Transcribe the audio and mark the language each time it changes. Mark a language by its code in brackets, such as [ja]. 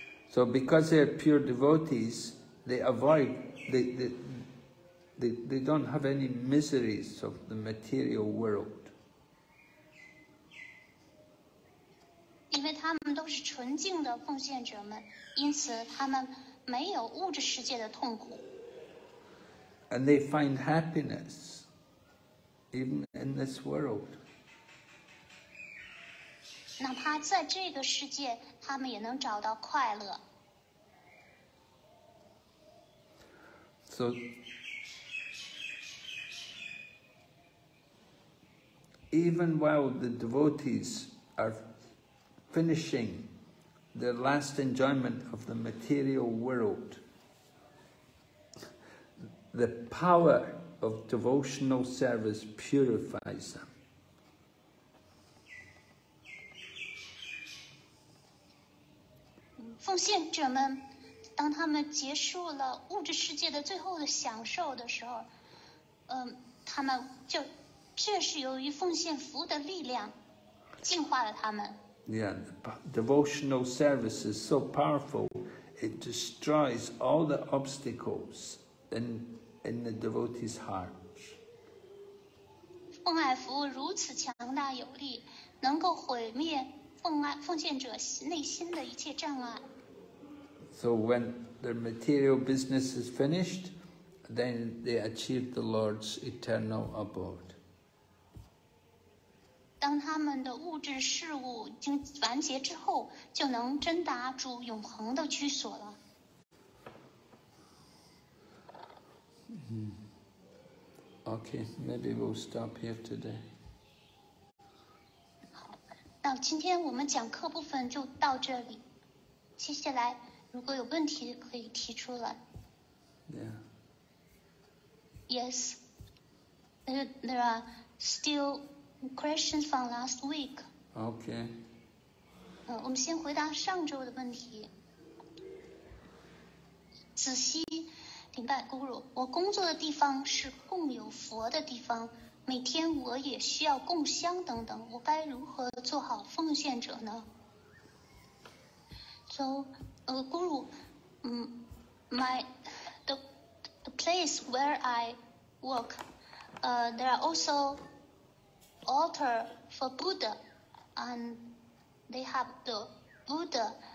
[en] So because they are pure devotees, they avoid they don't have any miseries of the material world. [zh] 因为他们都是纯净的奉献者们，因此他们没有物质世界的痛苦。 [en] And they find happiness even in this world. [zh] 哪怕在这个世界，他们也能找到快乐。 So. [en] Even while the devotees are finishing their last enjoyment of the material world, the power of devotional service purifies them. [zh] 奉献者们，当他们结束了物质世界的最后的享受的时候，他们就。这是由于奉献服务的力量净化了他们。 [en] Yeah, devotional service is so powerful, it destroys all the obstacles in the devotee's heart. [zh] 奉爱服务如此强大有力，能够毁灭奉献者内心的一切障碍。 [en] So when their material business is finished, then they achieve the Lord's eternal abode. [zh] 当他们的物质事物已经完结之后，就能真达主永恒的居所了。 [en] Okay, maybe we'll stop here today. [zh] 好，那今天我们讲课部分就到这里。接下来如果有问题可以提出来。 Yeah. [en] Yes. There are still questions from last week. Okay. [zh] 我们先回答上周的问题。仔细明白 Guru， 我工作的地方是供有佛的地方，每天我也需要供香等等，我该如何做好奉献者呢？ [en] So, Guru, the place where I work, there are also altar for Buddha, and they have the Buddha.